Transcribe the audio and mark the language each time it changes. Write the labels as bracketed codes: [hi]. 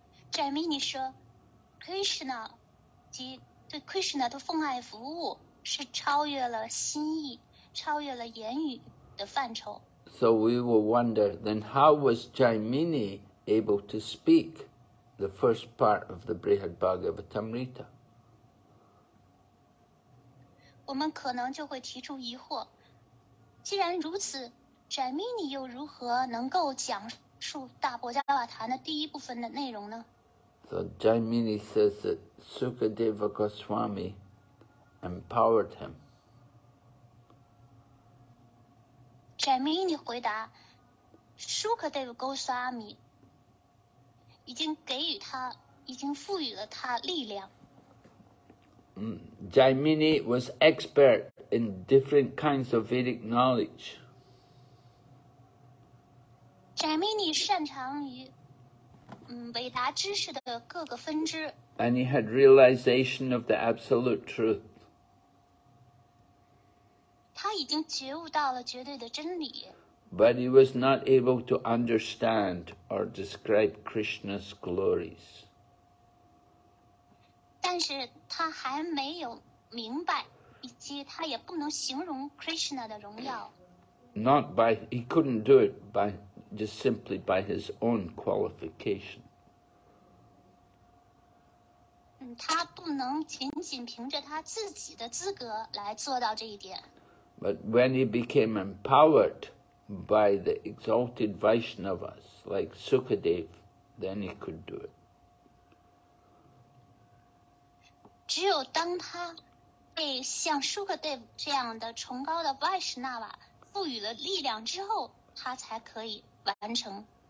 [zh] Jaimini 说 ，Krishna 及对 Krishna 的奉爱服务是超越了心意、超越了言语的范畴。 [en] So we will wonder then, how was Jaimini able to speak the first part of the Brihad Bhagavatamrita? [zh] 我们可能就会提出疑惑，既然如此，展密尼又如何能够讲述大伯加瓦坛的第一部分的内容呢？ [en] So Jaimini says that Sukadeva Goswami empowered him. [zh] 展密尼回答， Sukadeva Goswami 已经给予他，已经赋予了他力量。 [en] Jaimini was expert in different kinds of Vedic knowledge. [zh] Jaimini 擅长于伟达知识的各个分支。 [en] And he had realization of the absolute truth. [zh] 他已经觉悟到了绝对的真理。 [en] But he was not able to understand or describe Krishna's glories. [zh] 但是他还没有明白，以及他也不能形容 Krishna 的荣耀。 [en] Not by he couldn't do it by just simply by his own qualification. [zh] 他不能仅仅凭着他自己的资格来做到这一点。 [en] But when he became empowered by the exalted Vaishnavas like Sukadev, then he could do it. [zh] 只有当他被像 Shukadev 这样的崇高的 Vaishnava 赋予了力量之后，他才可以完成。